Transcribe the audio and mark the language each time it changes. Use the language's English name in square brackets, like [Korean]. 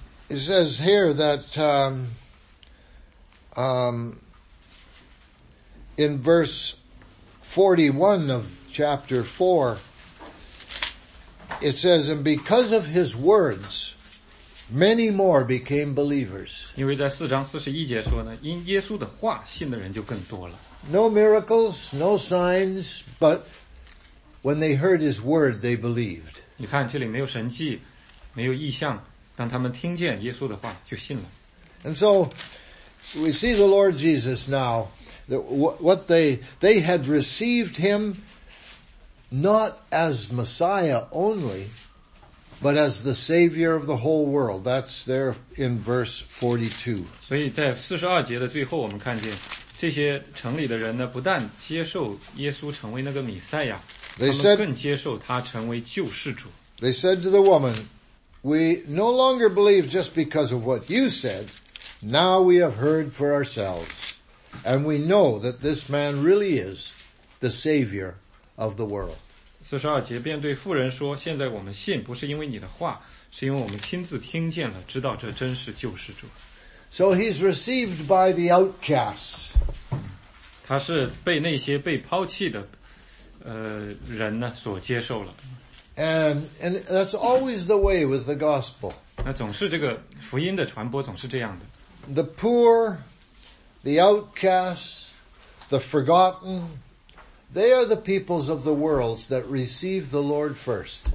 [English] It says here that in verse 41 of chapter 4, it says, And because of his words, many more became believers. [Chinese] 因为在四章四十一节说呢，因耶稣的话，信的人就更多了。 [English] No miracles, no signs, but when they heard his word, they believed. [Chinese] 你看这里没有神迹，没有异象。当他们听见耶稣的话，就信了。 [English] And so, we see the Lord Jesus now. What they had received him not as Messiah only, but as the Savior of the whole world. That's there in verse 42. [Chinese] 所以在42节的最后，我们看见这些城里的人呢，不但接受耶稣成为那个弥赛亚，他们更接受他成为救世主。 [English] They said to the woman. We no longer believe just because of what you said. Now we have heard for ourselves. And we know that this man really is the Savior of the world. [Chinese] 42节便对妇人说，现在我们信不是因为你的话，是因为我们亲自听见了，知道这真是救世主。 [English] So he's received by the outcasts. [Chinese] 他是被那些被抛弃的人呢所接受了。 [English] And that's always the way with the gospel. [Chinese] 那总是这个福音的传播总是这样的。 [English] The poor, the outcasts, the forgotten, they are the peoples of the worlds that receive the Lord first.